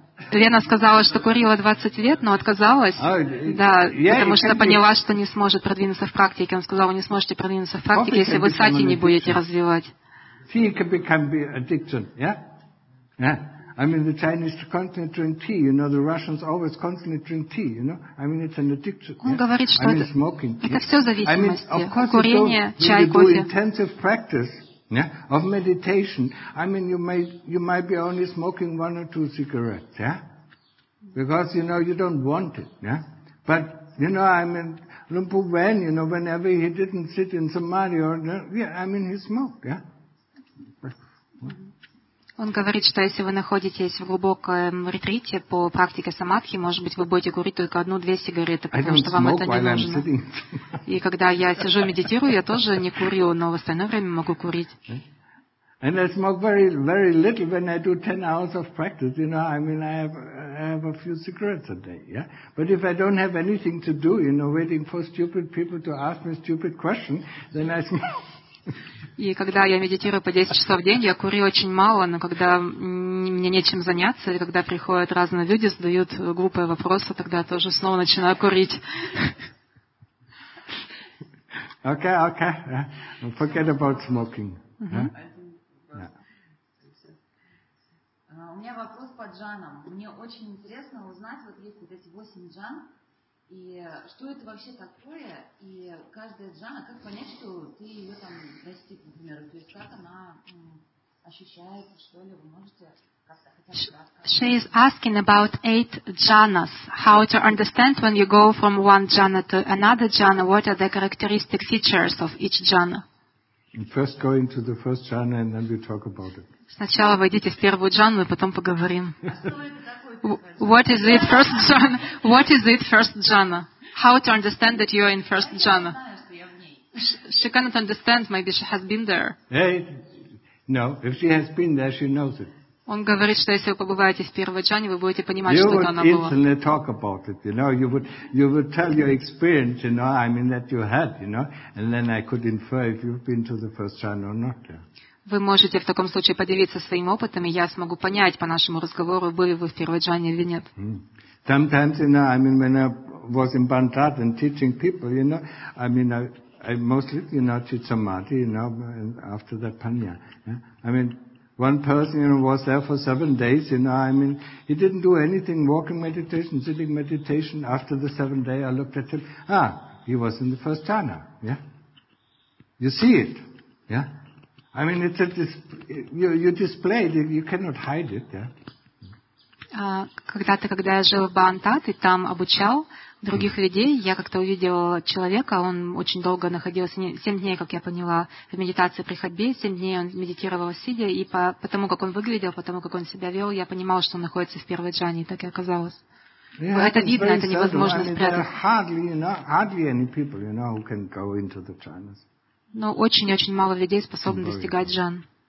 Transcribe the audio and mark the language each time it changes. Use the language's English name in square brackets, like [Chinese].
[Russian] Лена сказала, что курила 20 лет, но отказалась. Потому что поняла, что не сможет продвинуться в практике. Он сказал, вы не сможете продвинуться в практике, если вы сати не будете развивать. [English] Tea can become an addiction, yeah? Yeah. I mean, the Chinese constantly drink tea, the Russians always constantly drink tea, I mean, it's an addiction. [Russian] Он говорит, что это все зависимости. [English] I mean, of course, [Russian] курение, чай, кофе. [English] Do intensive practice. Yeah, of meditation. I mean, you might be only smoking one or two cigarettes, yeah? Because, you don't want it, yeah? But, Lumpu Wen, whenever he didn't sit in samadhi, he smoked, yeah? [Russian] Он говорит, что если вы находитесь в глубоком ретрите по практике самадхи, может быть, вы будете курить только 1-2 сигареты, потому что вам это не нужно. И когда я сижу и медитирую, я тоже не курю, но в остальное время могу курить. [English] And I smoke very, very little when I do 10 hours of practice. I have a few cigarettes a day, yeah? But if I don't have anything to do, waiting for stupid people to ask me stupid questions, then I smoke. [Russian] И когда я медитирую по 10 часов в день, я курю очень мало, но когда мне нечем заняться, или когда приходят разные люди, задают глупые вопросы, тогда я тоже снова начинаю курить. [English] Okay. Forget about smoking. Uh-huh. [Russian] У меня вопрос по джанам. Мне очень интересно узнать, вот есть вот эти 8 джан, и что это вообще такое, и каждая джана, как понять, что ты ее там достиг, например, то есть как она ощущается, что ли, вы можете как-то хотя бы рассказать? [English] She is asking about 8 jhanas. How to understand when you go from one jhana to another jhana, what are the characteristic features of each jhana? First go into the first jhana and then we talk about it. [Russian] Сначала войдите в первую джану, и потом поговорим. [English] What is it, first jhana? How to understand that you are in first jhana? She cannot understand, maybe she has been there. Hey, no, if she has been there, she knows it. [Russian] Он говорит, что если вы побываете в первой джане, вы будете понимать, [English] you [Russian] что это она была. [English] You would instantly talk about it, You would tell your experience, that you had, and then I could infer if you've been to the first jhana or not. Yeah. [Russian] Вы можете в таком случае поделиться своим опытом, и я смогу понять по нашему разговору, были вы в первой джане или нет. [English] Sometimes, you know, I mean, when I was in Bantad and teaching people, you know, I mean, I mostly, you know, teach Samadhi, you know, and after that Panya. Yeah? I mean, one person, you know, was there for 7 days, you know, I mean, he didn't do anything, walking meditation, sitting meditation. After the 7 day, I looked at him, ah, he was in the first jhana, yeah? You see it, yeah? I mean, it's a you display it, you cannot hide it, yeah? [Russian] Когда я жил в Бантат и там обучал других людей, я как-то увидел человека, он очень долго находился, 7 дней, как я поняла, в медитации при ходьбе, 7 дней он медитировал сидя, и потому как он выглядел, потому как он себя вел, я понимал, что он находится в первой джане, так и оказалось. Yeah, это видно, это невозможно спрятать. [English] Hardly, you know, hardly any people, you know, who can go into the jhanas. [Russian] Но очень-очень мало людей способны достигать джан.